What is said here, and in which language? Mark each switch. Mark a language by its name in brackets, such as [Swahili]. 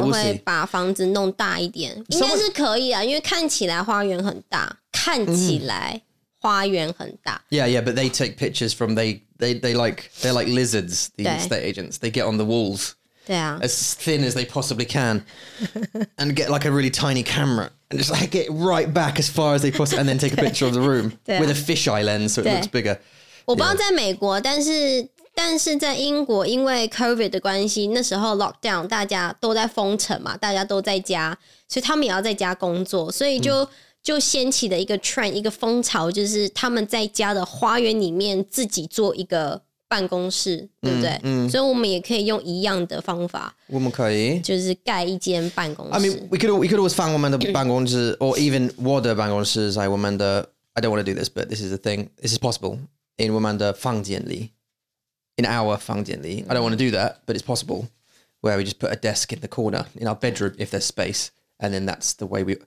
[Chinese] 我们会把房子弄大一点， [English] we'll、 [Chinese] 应该是可以啊，因为看起来花园很大，看起来花园很大。 Mm-hmm. [English] Yeah, yeah, but they take pictures from they're like lizards. These estate agents, they get on the walls, [Chinese] 对啊， [English] as thin as they possibly can, and get like a really tiny camera. And just like get right back as far as they possibly, and then take a picture of the room [Chinese] 对啊, [English] with a fisheye lens, so it looks bigger. [Chinese] 我不知道在美国，但是在英国，因为 COVID 的关系，那时候 lockdown 大家都在封城嘛，大家都在家，所以他们也要在家工作，所以就掀起了一个 [English] trend， [Chinese] 一个风潮，就是他们在家的花园里面自己做一个办公室，对不对？所以我们也可以用一样的方法。我们可以就是盖一间办公室。 [English] I mean, we could always find [Chinese] 我们的办公室 [English] or even [Chinese] 我的办公室在我们的 [English] I don't want to do this, but this is a thing. This is possible. In [Chinese] 我们的房间里 [English] In our [Chinese] 房间里 [English] I don't want to do that, but it's possible. Where we just put a desk in the corner in our bedroom if there's space. And then that's the way we...